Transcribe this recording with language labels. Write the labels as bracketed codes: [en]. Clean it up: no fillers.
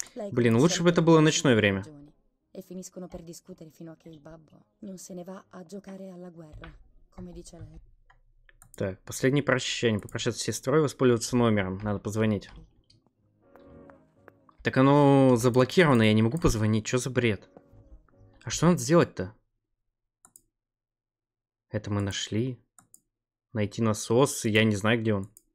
[ru] Блин, лучше бы это было ночное время. [it] E finiscono per discutere fino a che il babbo non se ne va a giocare alla guerra, come dice lei. [ru] Так, последнее прощение. Попрощаться с сестрой, воспользоваться номером. Надо позвонить. Так оно заблокировано, я не могу позвонить. Что за бред? А что надо сделать-то? Это мы нашли. Найти насос, я не знаю, где он.